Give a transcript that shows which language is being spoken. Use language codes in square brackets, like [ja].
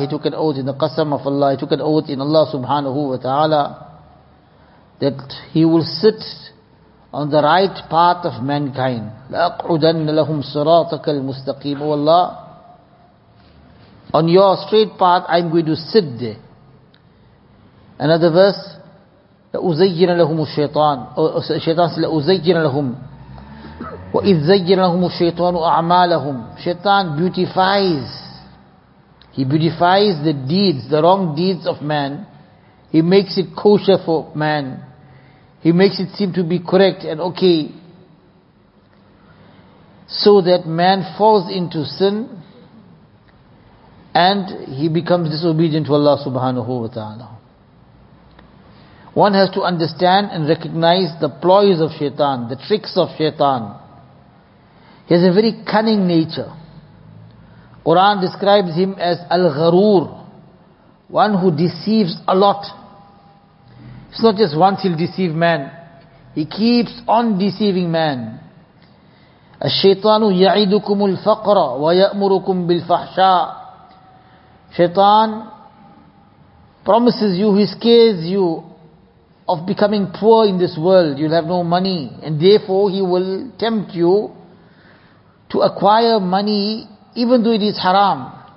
[en] He took an oath in the Qasam of Allah. He took an oath in Allah subhanahu wa ta'ala that he will sit on the right path of mankind. [ar] لَأَقْعُدَنَّ لَهُمْ صِرَاطَكَ الْمُسْتَقِيمُ. [en] Oh Allah, on your straight path I'm going to sit there. Another verse, [ar] لَأُزَيِّنَ لَهُمُ الشَّيْطَانُ. [en] Shaitan says, [ar] لَأُزَيِّنَ لَهُمْ وَإِذْ زَيِّنَ لَهُمُ الشَّيْطَانُ أَعْمَالَهُمْ. [en] Shaitan beautifies. He beautifies the deeds, the wrong deeds of man. He makes it kosher for man. He makes it seem to be correct and okay. So that man falls into sin and he becomes disobedient to Allah subhanahu wa ta'ala. One has to understand and recognize the ploys of shaitan, the tricks of shaitan. He has a very cunning nature. Quran describes him as al-gharoor, one who deceives a lot. It's not just once he'll deceive man. He keeps on deceiving man. [ar] الشيطان يعيدكم الفقر ويأمركم بالفحشاء. [en] Shaitan promises you, he scares you of becoming poor in this world. You'll have no money. And therefore he will tempt you to acquire money even though it is haram.